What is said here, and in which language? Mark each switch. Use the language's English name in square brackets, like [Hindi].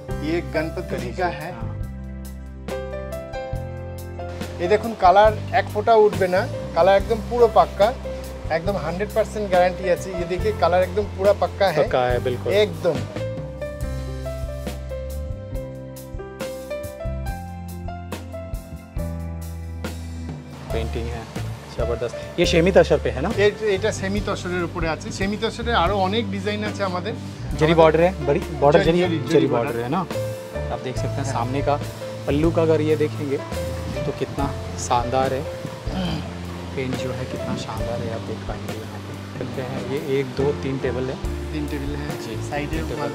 [Hindi] ये गणपति का है, ये देखो कलर एक फोटा [Bangla] उठबे ना, [Hindi] कलर एकदम पूरा पक्का, एकदम 100% गारंटी है, ये देखिए कलर एकदम पूरा पक्का है, पक्का है बिल्कुल एकदम। पेंटिंग है जबरदस्त, ये सेमी तोशर पे है ना, [Bangla] এটা সেমি তোশরের উপরে আছে, সেমি তোশরে আরো অনেক ডিজাইন আছে আমাদের, [Hindi] জেরি বর্ডার है, बड़ी बॉर्डर জেরি জেরি বর্ডার है ना, आप देख सकते हैं सामने का पल्लू का, अगर ये देखेंगे तो कितना शानदार है पेंट जो है, कितना शानदार है आप देख पाएंगे यहाँ पे। चलते हैं, ये एक दो तीन टेबल है, तीन टेबल है जी, साइड टेबल